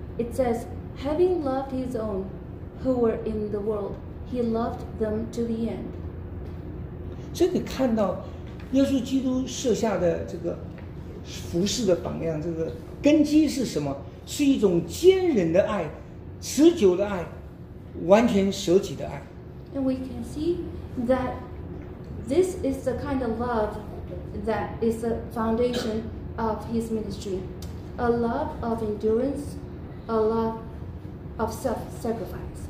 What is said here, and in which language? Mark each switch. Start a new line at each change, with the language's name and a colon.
English: It says, having loved his own who were in the world, he loved them to the end.
Chinese: 这里看到耶稣基督设下的这个服事的榜样，这个根基是什么？是一种坚忍的爱，持久的爱，完全舍己的爱。
English: And we can see that this is the kind of love that is the foundation of his ministry. A love of endurance, a love of self-sacrifice.